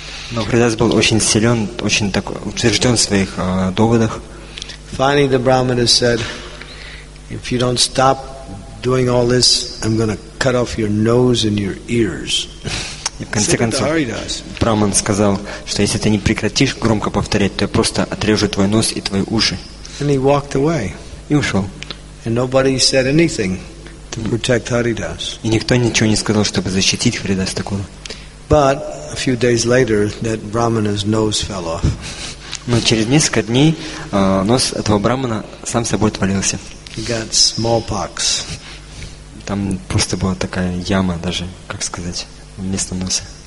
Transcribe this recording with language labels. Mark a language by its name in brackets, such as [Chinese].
[Russian] Но Харидас был очень силен, очень так утвержден в своих доводах. [English] Finally, the brahmana said, if you don't stop doing all this, I'm going to cut off your nose and your ears. [Russian] И в конце концов, браман сказал, что если ты не прекратишь громко повторять, то я просто отрежу твой нос и твои уши. [English] And he walked away. [Russian] И ушел. [English] And nobody said anything to protect Haridas. [Russian] И никто ничего не сказал, чтобы защитить Харидаса Такура. [English] But a few days later, that brahmana's nose fell off. [Russian] Но через несколько дней нос этого брамана сам собой отвалился. [English] He got smallpox. [Russian] Там просто была такая яма даже, как сказать, вместо носа.